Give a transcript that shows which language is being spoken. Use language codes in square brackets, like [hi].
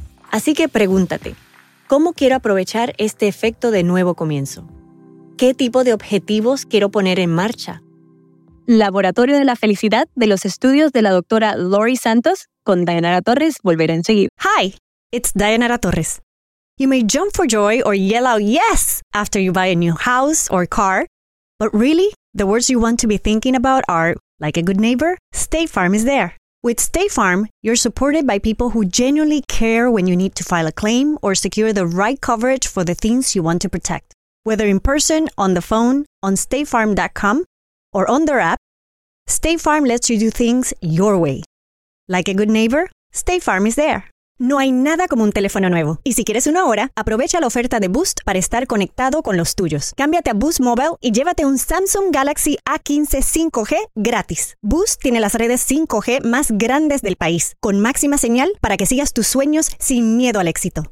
[es] Así que pregúntate, ¿cómo quiero aprovechar este efecto de nuevo comienzo? ¿Qué tipo de objetivos quiero poner en marcha? Laboratorio de la Felicidad, de los estudios de la doctora Lori Santos, con Dayanara Torres, volverá enseguida. [en] Hi, it's Dayanara Torres. You may jump for joy or yell out yes after you buy a new house or car, but really, the words you want to be thinking about are, like a good neighbor, State Farm is there. With State Farm, you're supported by people who genuinely care when you need to file a claim or secure the right coverage for the things you want to protect. Whether in person, on the phone, on StateFarm.com, or on their app, State Farm lets you do things your way. Like a good neighbor, State Farm is there. [es] No hay nada como un teléfono nuevo. Y si quieres uno ahora, aprovecha la oferta de Boost para estar conectado con los tuyos. Cámbiate a Boost Mobile y llévate un Samsung Galaxy A15 5G gratis. Boost tiene las redes 5G más grandes del país, con máxima señal para que sigas tus sueños sin miedo al éxito.